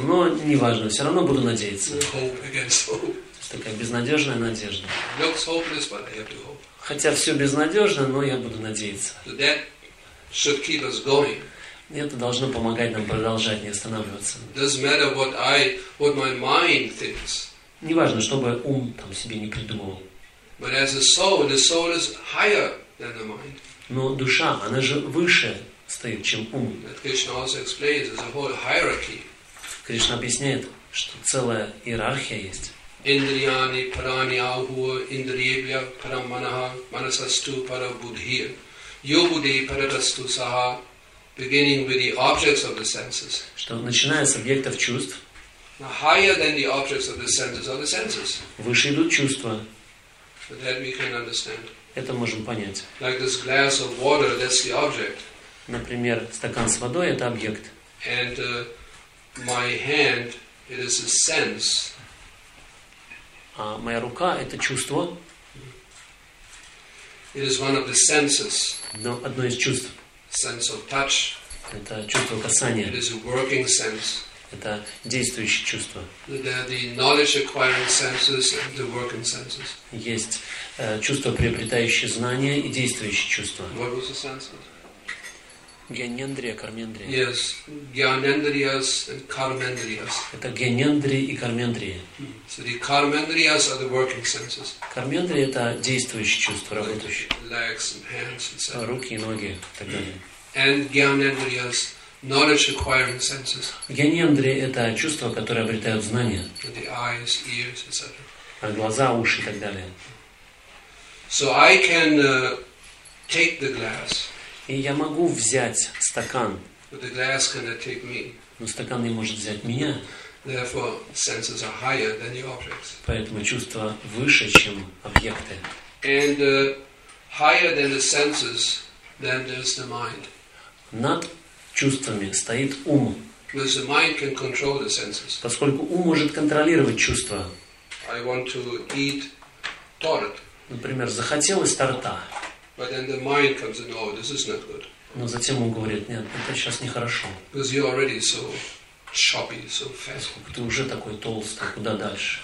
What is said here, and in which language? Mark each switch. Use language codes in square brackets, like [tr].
[ru] Но не важно, все равно буду надеяться. [en] Hope against hope. [ru] Такая безнадежная надежда. [en] Looks hopeless, but I have to hope. [ru] Хотя все безнадежно, но я буду надеяться. [en] So that should keep us going. [ru] Это должно помогать нам продолжать, не останавливаться. [en] Doesn't matter what I, what my mind thinks. [ru] Не важно, что бы ум там себе не придумывал. [en] But as a soul, the soul is higher than the mind. [ru] Но душа, она же выше стоит, чем ум. [en] That Krishna also explains, there's a whole hierarchy. [ru] Кришна объясняет, что целая иерархия есть. [sa] Индрияни парани ахуа индриебья парам манаха манасасту пара будхи йобудхи парадасту саха. [en] Beginning with the objects of the senses. [ru] Что начиная с объектов чувств. [en] Higher than the objects of the senses are the senses. [ru] Выше идут чувства. [en] But that we can understand. [ru] Это можем понять. [en] Like this glass of water, that's the object. [ru] Например, стакан с водой – это объект. [en] And my hand, it is a sense. [ru] А моя рука – это чувство. [en] It is one of the senses. [ru] Но одно из чувств. [en] Sense of touch. [ru] Это чувство касания. [en] It is a working sense. [ru] Это действующее чувство. [en] The knowledge acquiring senses and the working senses. [ru] Есть чувство, приобретающее знания и действующее чувство. [en] What was the sense? [ru] Гьянендрия, кармендрия. [en] Yes, гьянендриас and кармендриас. [ru] Это гьянендрия и кармендрия. [en] So the кармендриас are the working senses. [ru] Кармендрия – это действующее чувство, работающее. [en] Legs and hands and so on. [ru] Руки и ноги, так далее. [en] And гьянендриас knowledge acquiring senses. [ru] Я не Андрей, это чувства, которые обретают знания. [en] The eyes, ears, etc. [ru] А глаза, уши и так далее. [en] So I can take the glass. [ru] И я могу взять стакан. [en] But the glass cannot take me. [ru] Но стакан не может взять меня. [en] Therefore, senses are higher than the objects. [ru] Поэтому чувства выше, чем объекты. [en] And higher than the senses, then there's the mind. [ru] Над чувствами стоит ум. [en] Because the mind can control the senses. [ru] Поскольку ум может контролировать чувства. [en] I want to eat tort. [ru] Например, захотелось торта. [en] But then the mind comes in, oh, this is not good. [ru] Но затем он говорит, нет, это сейчас нехорошо. [en] Because you're already so choppy, so fast. [ru] Поскольку ты уже такой толстый, куда дальше?